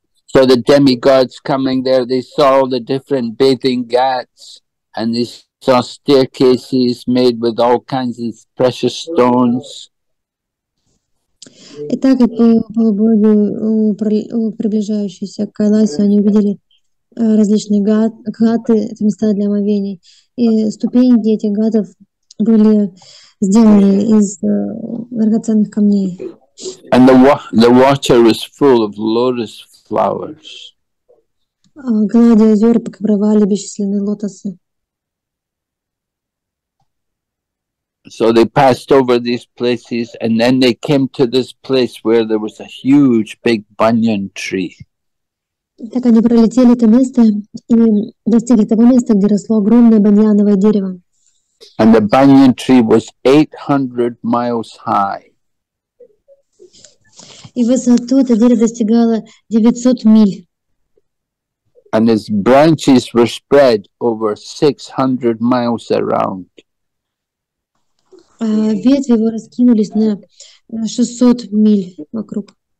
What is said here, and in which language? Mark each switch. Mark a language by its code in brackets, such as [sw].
[en] So the demigods coming there, they saw the different bathing ghats and they saw staircases made with all kinds of precious stones. [ru] Итак, полубоги, приближающиеся к Кайласу, они увидели различные гаты, это места для омовений. И ступеньки этих гатов были сделаны из драгоценных камней. [en] And the water was full of lotus flowers. [ru] Глади озера покрывали бесчисленные лотосы. [en] So they passed over these places, and then they came to this place where there was a huge, big banyan tree. [ru] Так они пролетели это место и достигли того места, где росло огромное баньяновое дерево. [en] And the banyan tree was 800 miles high. [ru] И высоту это дерево достигало 900 миль. [en] And its branches were spread over 600 miles around. [ru] Ветви его раскинулись на 600 миль вокруг.